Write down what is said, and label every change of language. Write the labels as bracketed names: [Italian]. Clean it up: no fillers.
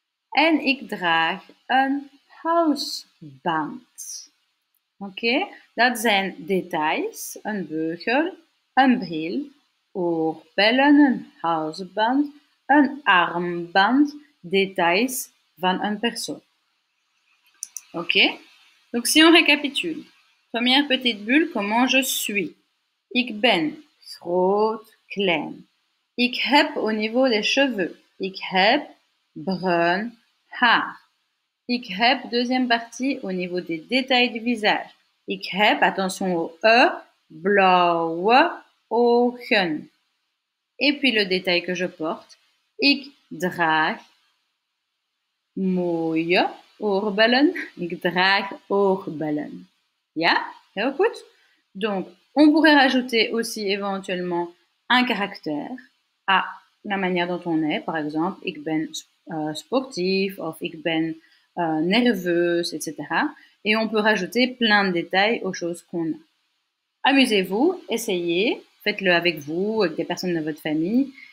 [Dutch] En ik draag een halsband. Oké? Dat zijn details. Een beugel, een bril, oorbellen, een halsband, een armband. Details van een persoon. [French] Ok, donc si on récapitule, première petite bulle, comment je suis? [Dutch] Ik ben groot, klein. Ik heb [French] au niveau des cheveux. [Dutch] Ik heb brun haar. Ik heb, [French] deuxième partie, au niveau des détails du visage. [Dutch] Ik heb, [French] attention au E, [Dutch] blauwe ogen. [French] Et puis le détail que je porte. [Dutch] Ik draag mooie oorbellen. Ik draag oorbellen. Ja? Heel goed. [French] Donc, on pourrait rajouter aussi éventuellement un caractère à la manière dont on est. Par exemple, [Dutch] ik ben sportif, of ik ben nerveuse, [French] etc. Et on peut rajouter plein de détails aux choses qu'on a. Amusez-vous, essayez, faites-le avec vous, avec des personnes de votre famille.